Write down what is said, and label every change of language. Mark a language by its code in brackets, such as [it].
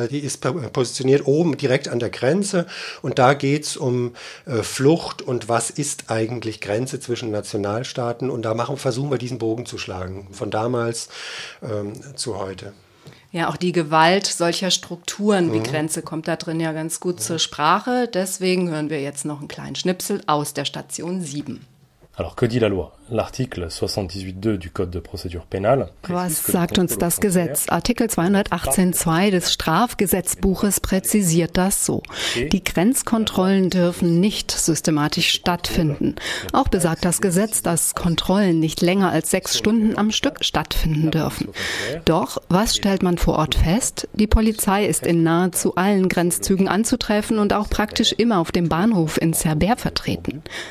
[de] Die ist positioniert oben direkt an der Grenze und da geht es um Flucht und was ist eigentlich Grenze zwischen Nationalstaaten und da versuchen wir diesen Bogen zu schlagen, von damals zu heute. Ja, auch die Gewalt solcher Strukturen wie Grenze kommt da drin ja ganz gut zur Sprache. Deswegen hören wir jetzt noch einen kleinen Schnipsel aus der Station 7. [fr] Alors, que dit la loi? L'article 78.2 du Code de procédure pénale. [de] Was sagt uns das Gesetz? Artikel 218.2 des Strafgesetzbuches präzisiert das so. Die Grenzkontrollen dürfen nicht systematisch stattfinden. Auch besagt das Gesetz, dass Kontrollen nicht länger als 6 Stunden am Stück stattfinden dürfen. Doch, was stellt man vor Ort fest? Die Polizei ist in nahezu allen Grenzzügen anzutreffen und auch praktisch immer auf dem Bahnhof in Cerbère vertreten.